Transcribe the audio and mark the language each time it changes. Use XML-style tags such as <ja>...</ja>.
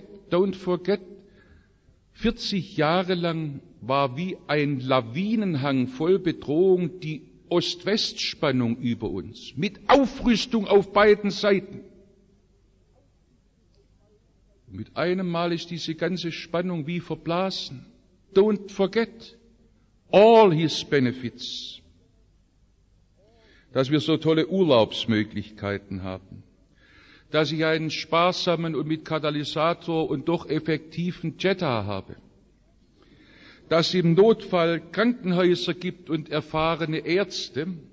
<en>Don't forget,</en> <de>40 Jahre lang war wie ein Lawinenhang voll Bedrohung, die Ost-West-Spannung über uns, mit Aufrüstung auf beiden Seiten. Und mit einem Mal ist diese ganze Spannung wie verblasen.</de> <en>Don't forget all his benefits.</en> <de>Dass wir so tolle Urlaubsmöglichkeiten haben. Dass ich einen sparsamen und mit Katalysator und doch effektiven Jetta habe. Dass es im Notfall Krankenhäuser gibt und erfahrene Ärzte.</de>